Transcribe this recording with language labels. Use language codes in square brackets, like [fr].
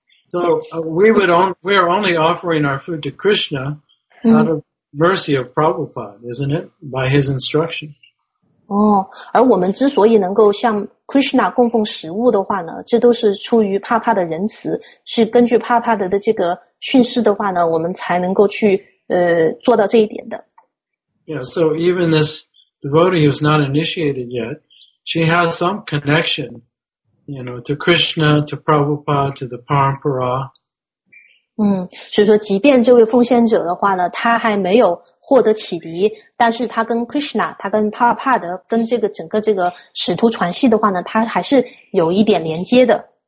[en] So we're only offering our food to Krishna out of mercy of Prabhupada, isn't it? By his instruction. [zh] 而我们之所以能够向 Krishna 供奉食物的话呢，这都是出于帕帕的仁慈，是根据帕帕的这个训示的话呢，我们才能够去做到这一点的。 [en] Yeah, so even this devotee who's not initiated yet, she has some connection, you know, to Krishna, to Prabhupada, to the Parampara. [zh] 所以说即便这位奉献者的话呢，他还没有获得启迪，但是他跟 Krishna, 他跟 Prabhupada, 跟这个整个这个使徒传系的话呢，他还是有一点连接的。